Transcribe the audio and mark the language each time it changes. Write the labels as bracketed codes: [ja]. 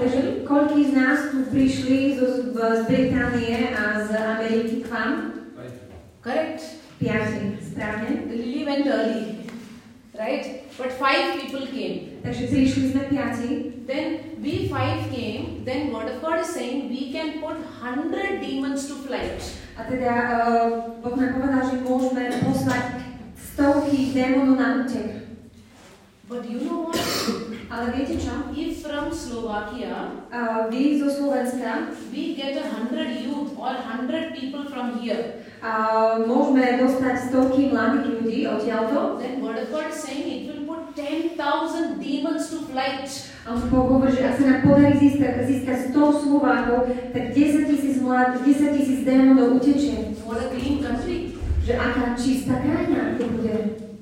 [sk] Takže koľký z nás tu prišli z Británie a z Ameriky k vám? [en] Correct. [sk] 5, správne. [en] Lily went early. Right? But five people came. [sk] Takže prišli sme piati. [en] Then we five came. Then what of God is saying, we can put 100 demons to flight. [sk] A teda Boh nám povedal, že môžeme poslať stovky démonov na útek. [en] But you know what? [sk] Ale viete čo? [en] If from Slovakia, [sk] vy zo Slovenska, [en] we get 100 youth or 100 people from here. [sk] A môžeme dostať stovky mladých ľudí odtiaľto. [en] Then what of God is saying, it will put 10,000 demons to flight. [sk] A už Boh hovorí, že ak sa nám podarí získať 100 Slovákov, tak 10,000 démonov uteče. [en] What a clean country. [sk] Že aká čistá krajina to bude.